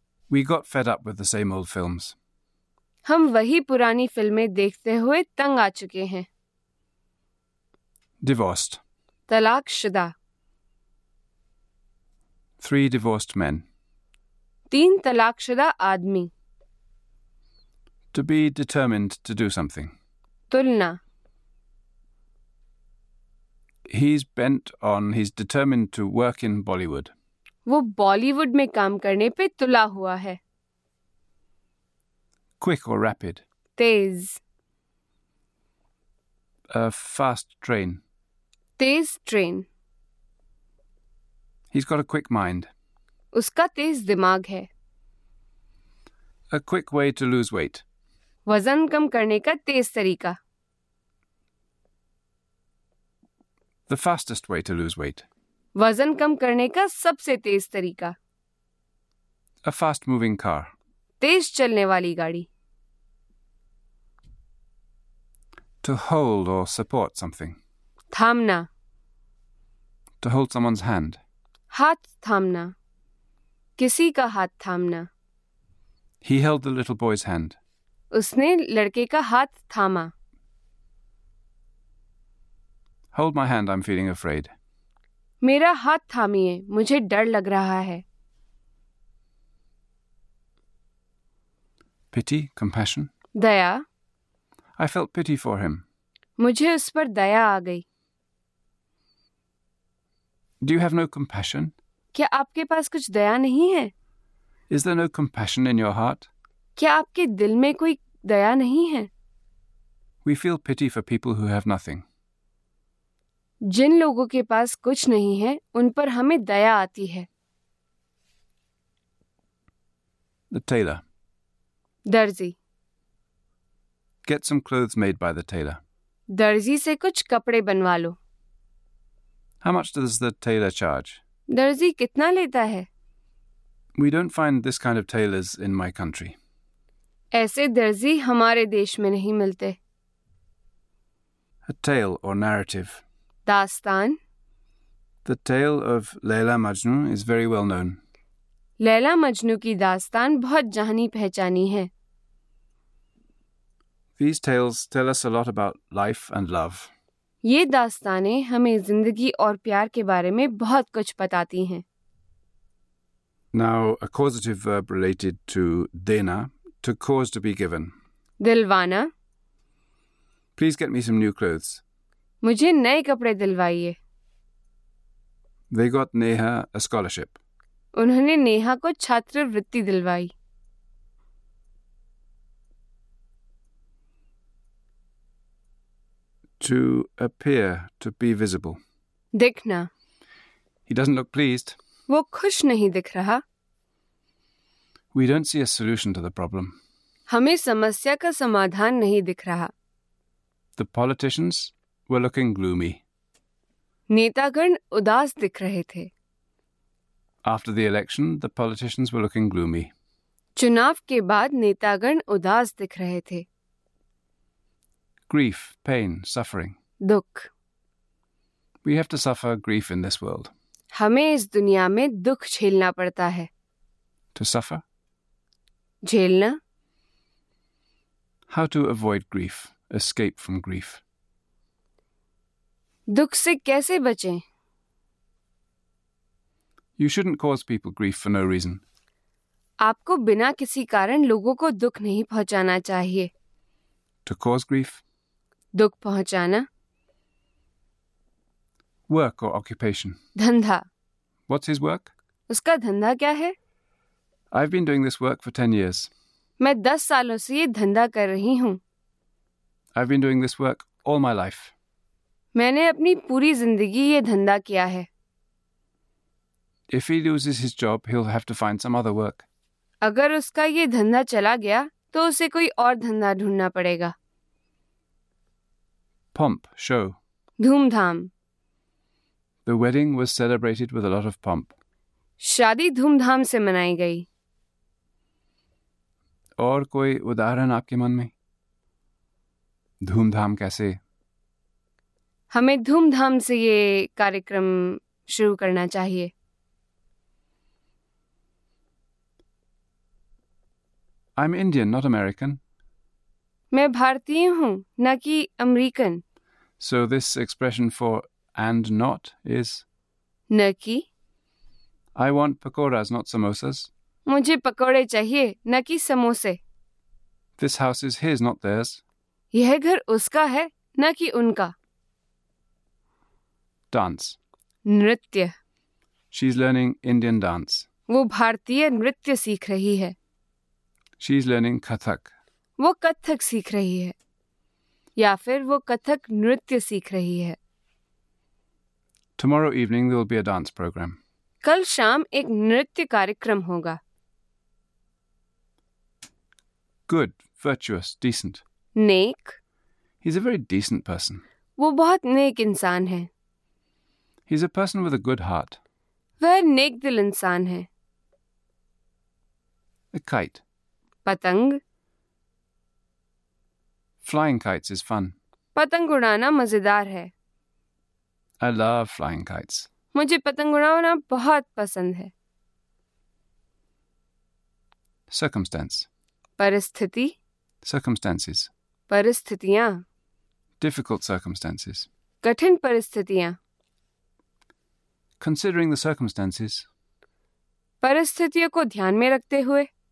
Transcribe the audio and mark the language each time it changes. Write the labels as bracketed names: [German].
[English] We got fed up with the same old films. [Hindi] हम वही पुरानी फिल्में देखते हुए तंग आ चुके हैं। [English] Divorced. [Hindi] तलाकशुदा। [English] Three divorced men. [Hindi] तीन तलाकशुदा आदमी। [English] To be determined to do something. [Hindi] तुलना। [English] He's bent on, he's determined to work in Bollywood. [Hindi] वो बॉलीवुड में काम करने पे तुला हुआ है। [English] Quick or rapid. [Hindi] Tej. [English] A fast train. [Hindi] Tej train. [English] He's got a quick mind. [Hindi] उसका तेज दिमाग है। [English] A quick way to lose weight. [Hindi] वजन कम करने का तेज तरीका। [English] The fastest way to lose weight. [Hindi] वजन कम करने का सबसे तेज तरीका। [English] A fast moving car. [Hindi] तेज चलने वाली गाड़ी। [English] To hold or support something. [Hindi] थामना। [English] To hold someone's hand. [Hindi] हाथ थामना। किसी का हाथ थामना। [English] He held the little boy's hand. [Hindi] उसने लड़के का हाथ थामा। [English] Hold my hand, I'm feeling afraid. [Hindi] मेरा हाथ थामिए, मुझे डर लग रहा है। [English] Pity, compassion. [Hindi] Daya. [English] I felt pity for him. [Hindi] मुझे उस पर दया आ गई। [English] Do you have no compassion? [Hindi] क्या आपके पास कुछ दया नहीं है? [English] Is there no compassion in your heart? [Hindi] क्या आपके दिल में कोई दया नहीं है? [English] We feel pity for people who have nothing. [Hindi] जिन लोगों के पास कुछ नहीं है, उन पर हमें दया आती है। [English] The tailor. [Hindi] दर्जी। [English] Get some clothes made by the tailor. [Hindi] दर्जी से कुछ कपड़े बनवा लो। [English] How much does the tailor charge? [Hindi] दर्जी कितना लेता है? [English] We don't find this kind of tailors in my country. [Hindi] ऐसे दर्जी हमारे देश में नहीं मिलते। [English] A tale or narrative. [Hindi] दास्तान। [English] The tale of Leila Majnu is very well known. [Hindi] Laila Majnu की दास्तान बहुत जानी पहचानी है। [English] These tales tell us a lot about life and love. [Hindi] ये दास्तानें हमें जिंदगी और प्यार के बारे में बहुत कुछ बताती हैं। [English] Now, a causative verb related to dena, to cause to be given. [Hindi] दिलवाना। [English] Please get me some new clothes. [Hindi] मुझे नए कपड़े दिलवाइए। [English] They got Neha a scholarship. [Hindi] उन्होंने नेहा को छात्रवृत्ति दिलवाई। [English] To appear, to be visible. [Hindi] दिखना। [English] He doesn't look pleased. [Hindi] वो खुश नहीं दिख रहा। [English] We don't see a solution to the problem. [Hindi] हमें समस्या का समाधान नहीं दिख रहा। [English] The politicians were looking gloomy. [Hindi] नेतागण उदास दिख रहे थे। [English] After the election, the politicians were looking gloomy. [Hindi] चुनाव के बाद नेतागण उदास दिख रहे थे. [English] Grief, pain, suffering. [Hindi] दुख. [English] We have to suffer grief in this world. [Hindi] हमें इस दुनिया में दुख झेलना पड़ता है. [English] To suffer? [Hindi] झेलना. [English] How to avoid grief, escape from grief. [Hindi] दुख से कैसे बचें? [English] You shouldn't cause people grief for no reason. [Hindi] आपको बिना किसी कारण लोगों को दुख नहीं पहुंचाना चाहिए. [English] To cause grief? [Hindi] दुख पहुंचाना. [English] Work or occupation? [Hindi] धंधा. [English] What's his work? [Hindi] उसका धंधा क्या है? [English] I've been doing this work for 10 years. [Hindi] मैं 10 सालों से ये धंधा कर रही हूँ. [English] I've been doing this work all my life. [Hindi] मैंने अपनी पूरी जिंदगी ये धंधा किया है. [English] If he loses his job, he'll have to find some other work. [Hindi] अगर उसका ये धंधा चला गया तो उसे कोई और धंधा ढूंढना पड़ेगा. [English] Pomp, show. [Hindi] धूमधाम. [English] The wedding was celebrated with a lot of pomp. [Hindi] शादी धूमधाम से मनाई गई. और कोई उदाहरण आपके मन में? धूमधाम कैसे? हमें धूमधाम से ये कार्यक्रम शुरू करना चाहिए. [English] I'm Indian, not American. [Hindi] मैं भारतीय हूँ न कि American. [English] So this expression for and not is? [Hindi] न कि. [English] I want pakoras, not samosas. [Hindi] मुझे पकौड़े चाहिए न कि समोसे. [English] This house is his, not theirs. [Hindi] यह घर उसका है न कि उनका. [English] Dance. [Hindi] नृत्य. [English] She's learning Indian dance. [Hindi] वो भारतीय नृत्य सीख रही है. [English] She's learning Kathak. [Hindi] वो कथक सीख रही है या फिर वो कथक नृत्य सीख रही है. [English] Tomorrow evening there will be a dance program. [Hindi] कल शाम एक नृत्य कार्यक्रम होगा. [English] Good, virtuous, decent. [Hindi] Neck. [English] He's a very decent person. [Hindi] वो बहुत नेक इंसान है. [English] He's a person with a good heart. [Hindi] वह नेक दिल इंसान है. [English] A kite. [Hindi] पतंग. [English] Flying kites is fun. [Hindi] पतंग उड़ाना मजेदार है. [English] I love flying kites. [Hindi] मुझे पतंग उड़ाना बहुत पसंद है. [English] Circumstance. [Hindi] परिस्थिति. [English] Circumstances. [Hindi] परिस्थितियां. [English] Difficult circumstances. [Hindi] कठिन परिस्थितियां. [English] Considering the circumstances. [Hindi] परिस्थितियों को ध्यान में रखते हुए.